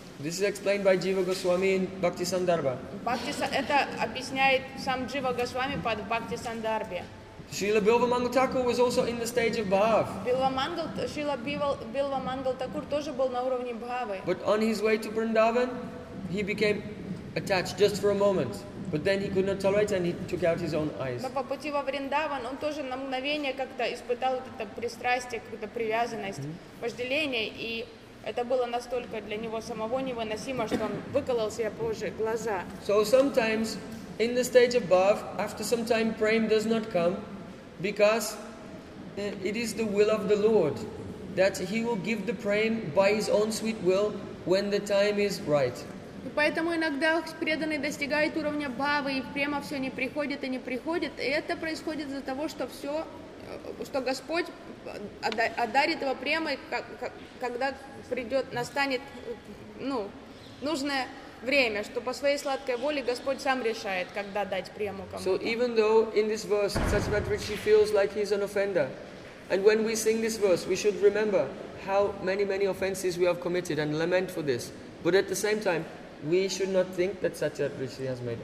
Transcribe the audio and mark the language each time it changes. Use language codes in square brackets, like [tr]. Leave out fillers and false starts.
[en] This is explained by Jiva Goswami in Bhakti Sandarbha. [ru] Это объясняет сам Джива Госвами под Бхакти Сандарбе. [en] Srila Bilva Mangal Thakur was also in the stage of bhav. [ru] Bilva Mangal Thakur тоже был на уровне бхавы. [en] But on his way to Vrindavan, he became attached just for a moment. But then he could not tolerate and he took out his own eyes. [ru] Но по пути во Вриндаван он тоже на мгновение как-то испытал вот это пристрастие, какую-то привязанность, вожделение, и это было настолько для него самого невыносимо, что он выколол себе позже глаза. [en] So sometimes in the stage above, after some time, prema does not come because it is the will of the Lord that he will give the prema by his own sweet will when the time is right. [ru] Поэтому иногда преданный достигает уровня бхавы, и према все не приходит и не приходит. И это происходит из-за того, что все, что Господь одарит его премой, когда придет, настанет ну, нужное время, что по своей сладкой воле Господь сам решает, когда дать прему кому-то. [en] So even though in this verse Satyavrata feels like he's an offender, and when we sing this verse, we should remember how many, many offenses we have committed and lament for this. But at the same time, we should not think that Satyavrata Rishi has made.